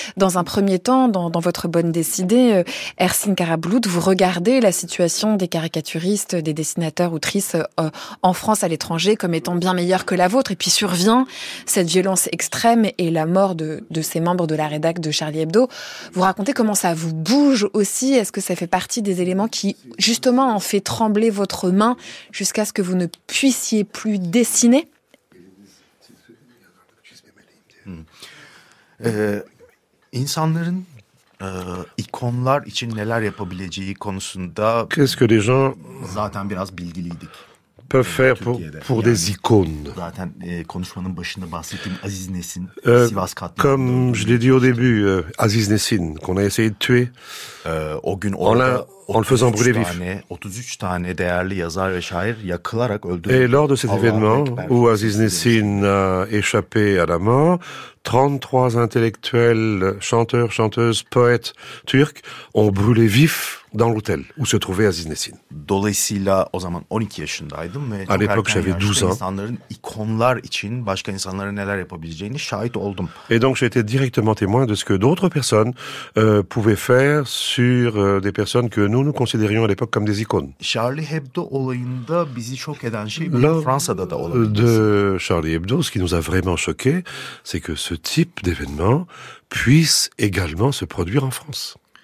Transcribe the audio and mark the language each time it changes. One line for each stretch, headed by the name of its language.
French: Dans un premier temps, dans votre bonne décidée, Ersin Karabulut, vous regardez la situation des caricaturistes, des dessinateurs, autrices en France, à l'étranger, comme étant bien meilleure que la vôtre. Et puis survient cette violence extrême et la mort de ces membres de la rédaction de Charlie Hebdo. Vous racontez comment ça vous bouge aussi? Est-ce que ça fait partie des éléments qui, justement, en fait trembler votre main jusqu'à ce que vous ne puissiez plus dessiner?
Turkish: İnsanların ikonlar için neler yapabileceği konusunda
French: qu'est-ce que les gens
Turkish: zaten biraz bilgiliydik.
French: Peuvent faire pour des icônes.
Turkish: Zaten konuşmanın başında bahsettiğim Aziz Nesin, Sivas katliamı.
French: Comme je l'ai dit au début, Aziz Nesin, qu'on a essayé de tuer.
Turkish: O gün orada,
French: en le faisant brûler vif.
Turkish: 33 tane değerli yazar ve şair yakılarak öldürüldü.
French: Et lors de cet événement, où Aziz Nesin a échappé à la mort, 33 intellectuels, chanteurs, chanteuses, poètes turcs ont brûlé vif dans l'hôtel où se trouvait Aziz Nesin.
Turkish: Dolayısıyla o zaman 12 yaşındaydım ve
French: à l'époque j'avais 12 ans.
Turkish: İnsanların ikonlar için başka insanlara neler yapabileceğini şahit oldum.
French: Et donc j'étais directement témoin de ce que d'autres personnes pouvaient faire sur des personnes que nous considérions à l'époque comme des icônes.
Turkish: Charlie Hebdo olayında bizi şok eden şey bir Fransa'da da olabilir.
French: De Charlie Hebdo, ce qui nous a vraiment choqué, c'est que ce type d'événement puisse également se produire en France.